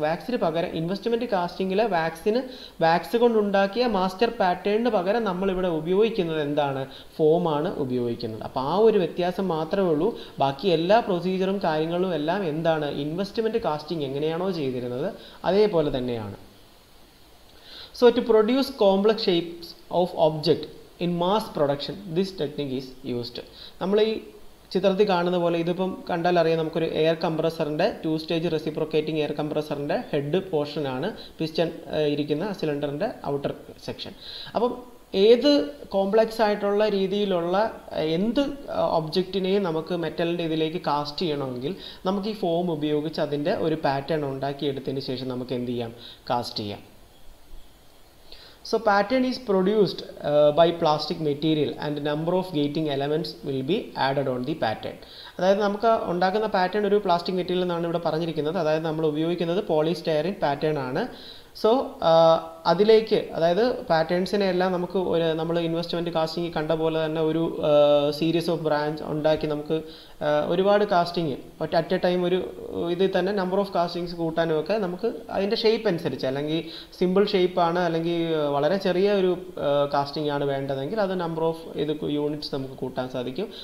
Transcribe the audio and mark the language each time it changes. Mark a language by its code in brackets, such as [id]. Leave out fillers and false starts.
[ml] വാക്സിന് പകരം ഇൻവെസ്റ്റ്മെൻറ്റ് കാസ്റ്റിങ്ങിലെ വാക്സിന് വാക്സ് കൊണ്ടുണ്ടാക്കിയ മാസ്റ്റർ പാറ്റേണിന് പകരം നമ്മളിവിടെ ഉപയോഗിക്കുന്നത് എന്താണ്, ഫോമാണ് ഉപയോഗിക്കുന്നത്. അപ്പോൾ ആ ഒരു വ്യത്യാസം മാത്രമേ ഉള്ളൂ. ബാക്കി എല്ലാ പ്രൊസീജറും കാര്യങ്ങളും എല്ലാം എന്താണ്, ഇൻവെസ്റ്റ്മെൻറ്റ് കാസ്റ്റിംഗ് എങ്ങനെയാണോ ചെയ്തിരുന്നത് അതേപോലെ തന്നെയാണ്. [en] So to produce complex shapes of object in mass production, this technique is used. [ml] Nammal ee ചിത്രത്തിൽ കാണുന്ന പോലെ ഇതിപ്പം കണ്ടാൽ അറിയാം, നമുക്കൊരു air കംപ്രസറിൻ്റെ two stage reciprocating air കംപ്രസറിൻ്റെ head പോർഷനാണ് പിസ്റ്റൺ ഇരിക്കുന്ന സിലിണ്ടറിൻ്റെ ഔട്ടർ സെക്ഷൻ. അപ്പം ഏത് കോംപ്ലക്സ് ആയിട്ടുള്ള രീതിയിലുള്ള എന്ത് ഒബ്ജക്റ്റിനെയും നമുക്ക് മെറ്റലിൻ്റെ ഇതിലേക്ക് കാസ്റ്റ് ചെയ്യണമെങ്കിൽ നമുക്ക് ഈ ഫോം ഉപയോഗിച്ച് അതിൻ്റെ ഒരു പാറ്റേൺ ഉണ്ടാക്കിയെടുത്തതിന് ശേഷം നമുക്ക് എന്ത് ചെയ്യാം, കാസ്റ്റ് ചെയ്യാം. [en] So pattern is produced by plastic material and number of gating elements will be added on the pattern. [ml] അതായത് നമുക്ക് ഉണ്ടാക്കുന്ന പാറ്റേൺ ഒരു പ്ലാസ്റ്റിക് മെറ്റീരിയൽ എന്നാണ് ഇവിടെ പറഞ്ഞിരിക്കുന്നത്. അതായത് നമ്മൾ ഉപയോഗിക്കുന്നത് പോളിസ്റ്റൈറിൻ പാറ്റേൺ ആണ്. സോ അതിലേക്ക്, അതായത് പാറ്റേൺസിനെ എല്ലാം നമുക്ക് ഒരു നമ്മൾ ഇൻവെസ്റ്റ്മെൻറ്റ് കാസ്റ്റിംഗ് കണ്ട പോലെ തന്നെ ഒരു സീരീസ് ഓഫ് ബ്രാഞ്ച് ഉണ്ടാക്കി നമുക്ക് ഒരുപാട് കാസ്റ്റിംഗ് അറ്റ് എ ടൈം ഒരു ഇതിൽ തന്നെ നമ്പർ ഓഫ് കാസ്റ്റിങ്സ് കൂട്ടാനുമൊക്കെ നമുക്ക് അതിൻ്റെ ഷേപ്പ് അനുസരിച്ച്, അല്ലെങ്കിൽ സിമ്പിൾ ഷേപ്പാണ് അല്ലെങ്കിൽ വളരെ ചെറിയ ഒരു കാസ്റ്റിംഗ് ആണ് വേണ്ടതെങ്കിൽ അത് നമ്പർ ഓഫ് ഇത് യൂണിറ്റ്സ് നമുക്ക് കൂട്ടാൻ സാധിക്കും.